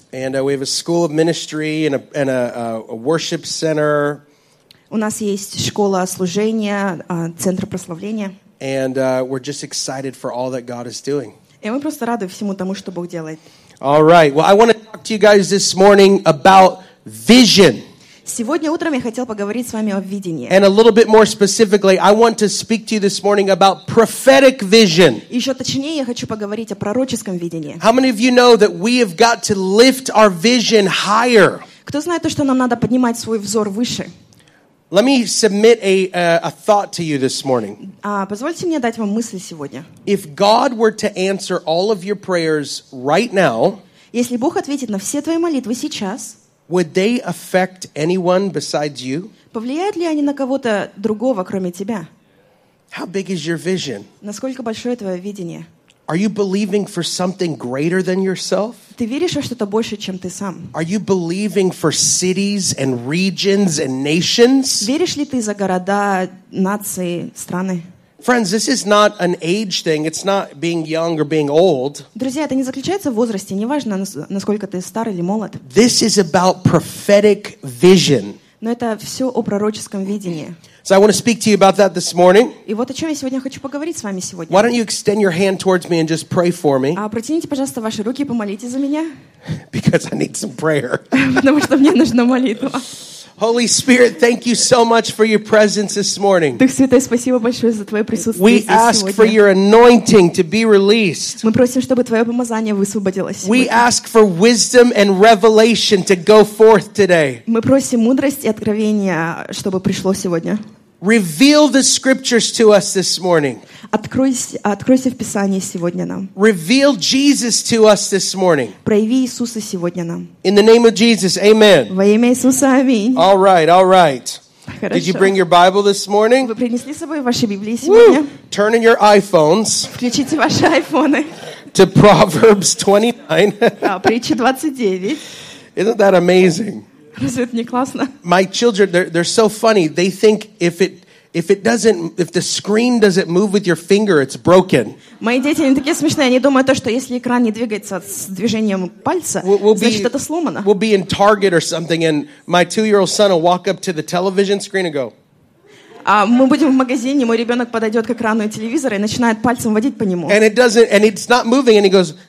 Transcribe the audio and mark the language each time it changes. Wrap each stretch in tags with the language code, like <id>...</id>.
<en>And we have a school of ministry and a worship center.</en> <ru>У нас есть школа служения, центр прославления.</ru> <en>And we're just excited for all that God is doing.</en> <ru>И мы просто рады всему тому, что Бог делает.</ru> <en>All right. Well, I want to talk to you guys this morning about vision.</en> <ru>Сегодня утром я хотел поговорить с вами о видении.</ru> <en>And a little bit more specifically, I want to speak to you this morning about prophetic vision.</en> <ru>Еще точнее, я хочу поговорить о пророческом видении.</ru> <en>How many of you know that we have got to lift our vision higher?</en> <ru>Кто знает то, что нам надо поднимать свой взор выше?</ru> <en>Let me submit a thought to you this morning.</en> <ru>Позвольте мне дать вам мысль сегодня.</ru> <en>If God were to answer all of your prayers right now,</en> <ru>если Бог ответит на все твои молитвы сейчас,</ru> <en>would they affect anyone besides you?</en> <ru>Повлияют ли они на кого-то другого, кроме тебя?</ru> <en>How big is your vision?</en> <ru>Насколько большое твое видение?</ru> <en>Are you believing for something greater than yourself?</en> <ru>Ты веришь во что-то больше, чем ты сам?</ru> <en>Are you believing for cities and regions and nations?</en> <ru>Веришь ли ты за города, нации, страны?</ru> <en>Friends, this is not an age thing. It's not being young or being old.</en> <ru>Друзья, это не заключается в возрасте. Неважно, насколько ты стар или молод.</ru> <en>This is about prophetic vision.</en> <ru>Но это все о пророческом видении.</ru> <en>So I want to speak to you about that this morning.</en> <ru>И вот о чем я сегодня хочу поговорить с вами сегодня.</ru> <en>Why don't you extend your hand towards me and just pray for me?</en> <ru>Протяните, пожалуйста, ваши руки и помолитесь за меня.</ru> <en>Because I need some prayer.</en> <ru>Потому что мне нужна молитва.</ru> <en>Holy Spirit, thank you so much for your presence this morning.</en> <ru>Дух Святой, спасибо большое за твое присутствие сегодня.</ru> <en>We ask for your anointing to be released.</en> <ru>Мы просим, чтобы твое помазание высвободилось сегодня.</ru> <en>We ask for wisdom and revelation to go forth today.</en> <ru>Мы просим мудрость и откровение, чтобы пришло сегодня.</ru> <en>Reveal the scriptures to us this morning.</en> <ru>Откройся в Писании сегодня нам.</ru> <en>Reveal Jesus to us this morning.</en> <ru>Прояви Иисуса сегодня нам.</ru> <en>In the name of Jesus, amen.</en> <ru>Во имя Иисуса, аминь.</ru> <en>All right, all right.</en> <ru>Хорошо.</ru> <en>Did you bring your Bible this morning?</en> <ru>Вы принесли с собой ваши Библии сегодня?</ru> <en>Woo! Turn in your iPhones.</en> <ru>Включите ваши айфоны.</ru> <en>To Proverbs 29.</en> <ru>Притчи 29.</ru> <en>Isn't that amazing?</en> <ru>Разве это не классно?</ru> <en>My children, they're so funny. They think if the screen doesn't move with your finger, it's broken.</en> <ru>Мои дети, они такие смешные. Они думают то, что если экран не двигается с движением пальца, значит, это сломано.</ru> <en>We'll be in Target or something, and my two-year-old son will walk up to the television screen and go.</en> <ru>Мы будем в магазине, мой ребенок подойдет к экрану телевизора и начинает пальцем водить по нему.</ru> <en>And it doesn't, and it's not moving, and he goes.</en>